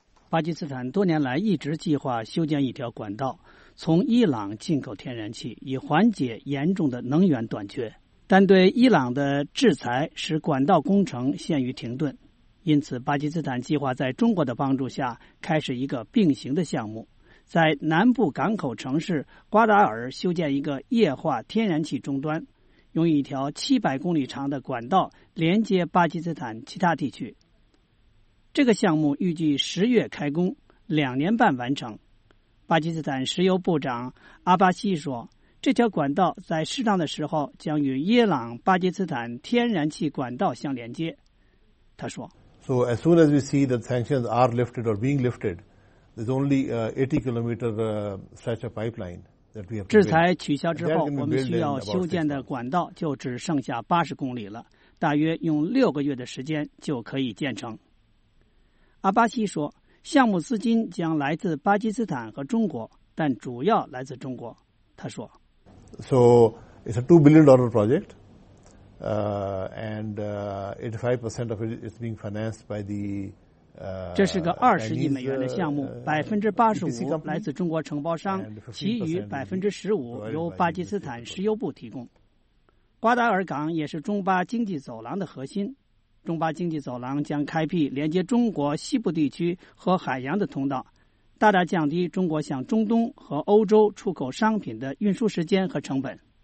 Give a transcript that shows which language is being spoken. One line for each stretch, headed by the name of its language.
Chinese: 巴基斯坦多年来一直计划修建一条管道，从伊朗进口天然气，以缓解严重的能源短缺，但对伊朗的制裁使管道工程陷于停顿，因此巴基斯坦计划在中国的帮助下开始一个并行的项目，在南部港口城市瓜达尔修建一个液化天然气终端，用一条700公里长的管道连接巴基斯坦其他地区。这个项目预计十月开工，两年半完成。巴基斯坦石油部长阿巴西说，这条管道在适当的时候将与伊朗巴基斯坦天然气管道相连接，他说。
English: So as soon as we see that sanctions are lifted or being lifted, there's only 80-kilometer stretch of pipeline that we have.
Chinese: 制裁取消之后，我们需要修建的管道就只剩下80公里了，大约用六个月的时间就可以建成。阿巴西说，项目资金将来自巴基斯坦和中国，但主要来自中国。他说
English: ，So it's a $2 billion project, and 85% of it is being financed by the
Chinese: 这是个20亿美元的项目，85%来自中国承包商，其余15%由巴基斯坦石油部提供。瓜达尔港也是中巴经济走廊的核心，中巴经济走廊将开辟连接中国西部地区和海洋的通道，大大降低中国向中东和欧洲出口商品的运输时间和成本。